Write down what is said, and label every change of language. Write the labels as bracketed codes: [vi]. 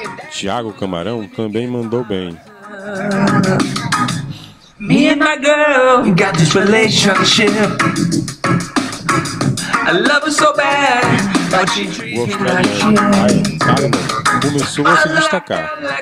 [pt] Thiago Camarão também mandou bem. [en] Me and my girl, we got this relationship. I love her so bad. [pt] O australiano começou a se destacar.